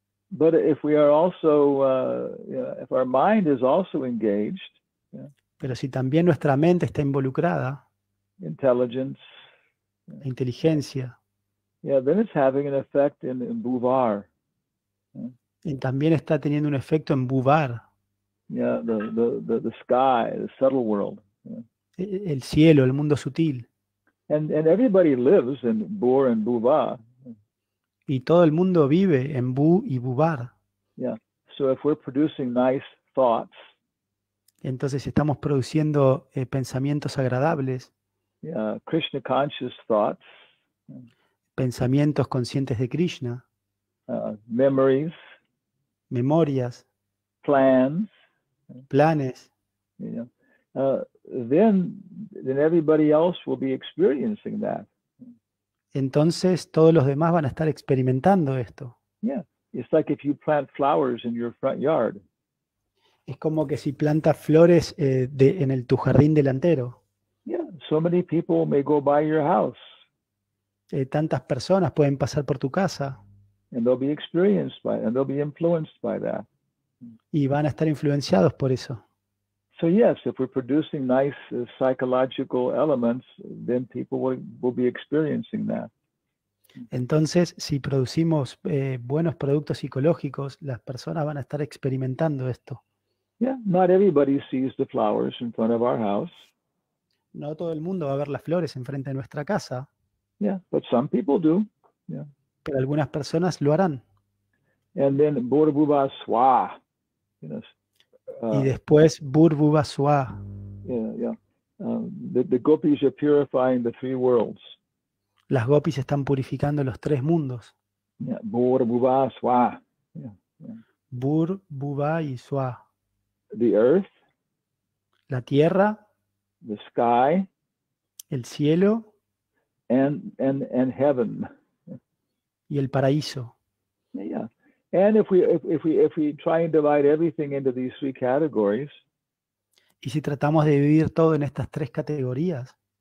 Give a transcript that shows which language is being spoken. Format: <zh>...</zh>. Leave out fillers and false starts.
<en>But if we are also, if our mind is also engaged. Yeah,</en> <es>pero si también nuestra mente está involucrada.</es> <en>Intelligence.</en> <es>La inteligencia.</es> <en>Yeah, then it's having an effect in Bhuvar.</en> <es>Y también está teniendo un efecto en Bhuvar.</es> <en>Yeah, the sky, the subtle world. Yeah.</en> <es>El cielo, el mundo sutil.</es> <en>And everybody lives in Bhur and Bhuva.</en> <es>Y todo el mundo vive en Bhu y Bhuvar.</es> <en>Yeah. So if we're producing nice thoughts.</en> <es>Entonces estamos produciendo pensamientos agradables.</es> <en>Yeah, Krishna conscious thoughts.</en> <es>Pensamientos conscientes de Krishna.</es> <en>Memories.</en> <es>Memorias.</es> <en>Plans.</en> <es>Planes.</es> <en>Then everybody else will be experiencing that.</en> <es>Entonces todos los demás van a estar experimentando esto.</es> <en>Yeah, it's like if you plant flowers in your front yard.</en> <es>Es como que si plantas flores en tu jardín delantero.</es> <en>Yeah, so many people may go by your house.</en> <es>Tantas personas pueden pasar por tu casa.</es> <en>And they'll be experienced by it, and they'll be influenced by that.</en> <es>Y van a estar influenciados por eso.</es> <en>So yes, if we're producing nice psychological elements, then people will be experiencing that.</en> <es>Entonces, si producimos buenos productos psicológicos, las personas van a estar experimentando esto.</es> <en>Yeah, not everybody sees the flowers in front of our house.</en> <es>No todo el mundo va a ver las flores enfrente de nuestra casa.</es> <en>Yeah, but some people do. Yeah.</en> <es>Pero algunas personas lo harán.</es> <en>And then Burbuva Swa, you know.</en> <es>Y después Burbuva Swa.</es> <en>The gopis are purifying the three worlds.</en> <es>Las gopis están purificando los tres mundos.</es> <en>Yeah, Burbuva Swa. Yeah, yeah.</en> <es>Burbuva y Swa.</es> <en>The earth.</en> <es>La tierra.</es> <en>The sky.</en> <es>El cielo.</es> <en>And heaven.</en> <es>Y el paraíso.</es> <en>Yeah. And if we try and divide everything into these three categories,</en> <es>y si tratamos de dividir todo en estas tres categorías,</es>